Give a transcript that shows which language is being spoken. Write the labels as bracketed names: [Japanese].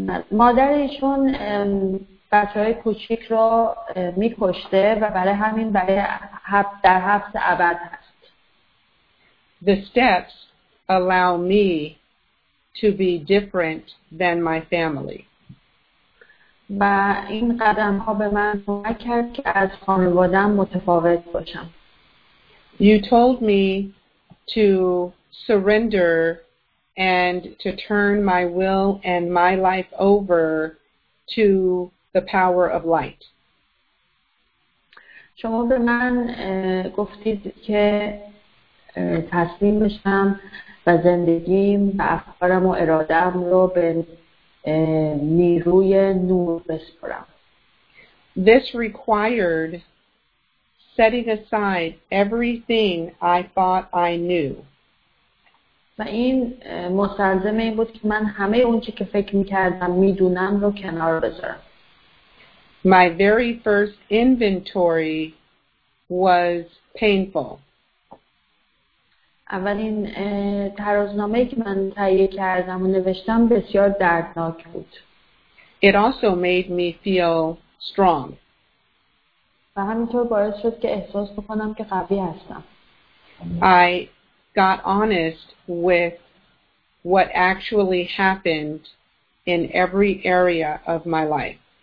[Persian] مادرشون بچه های کوچیک رو میکشته و برای همین برای در حبس ابد هست. [English] The steps allow me to be different than my family. [Persian] و این قدم ها به من کمک کرد که از خانواده‌ام متفاوت باشم. [English] You told me to surrender and to turn my will and my life over to the power of light. [Persian] شما به من گفتید که تسلیم بشم و زندگیم و افکارم و اراده‌ام رو به نیروی نور بسپارم. [English] This required setting aside everything I thought I knew. [Persian] و این مستلزم این بود که من همه اون چی که فکر میکردم میدونم رو کنار بذارم. [English] My very first inventory was painful. [Persian] اولین ترازنامه‌ای که من تهیه کردم و نوشتم بسیار دردناک بود. [English] It also made me feel strong. [Persian] و همینطور باعث شد که احساس بکنم که قوی هستم. [English] I got honest with what actually happened in every area of my life.